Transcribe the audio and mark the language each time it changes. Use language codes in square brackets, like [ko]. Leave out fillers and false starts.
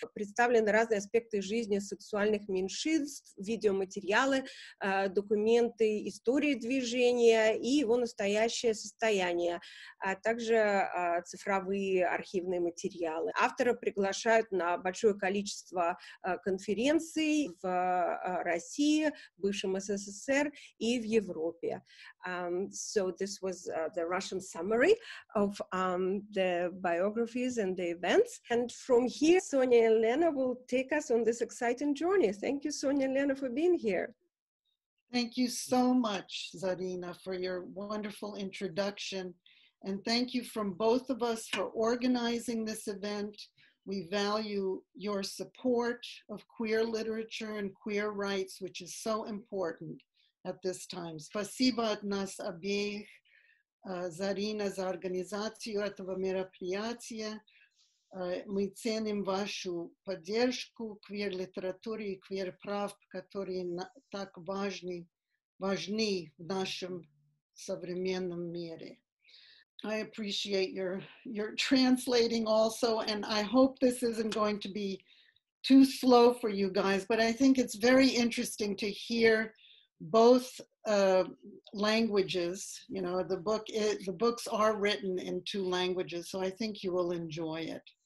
[ru] Представлены разные аспекты жизни сексуальных меньшинств, видеоматериалы, документы истории движения и его настоящее состояние, а также цифровые архивные материалы. Автора приглашают на большое количество конференций в России, в бывшем СССР и в Европе. [en] So this was the Russian summary of the biographies and the events. And from here, Sonia and Lena will take us on this exciting journey. Thank you, Sonia and Lena, for being here. Thank you so much, Zarina, for your wonderful introduction. And thank you from both of us for organizing this event. We value your support of queer literature and queer rights, which is so important at this time. [ru] Спасибо от нас обеих, Зарина, за организацию этого мероприятия. Мы ценим вашу поддержку квир-литературе и квир-прав, которые так важны в нашем современном мире. [en] I appreciate your translating also, and I hope this isn't going to be too slow for you guys, but I think it's very interesting to hear both languages, you know, the books are written in two languages, so I think you will enjoy it.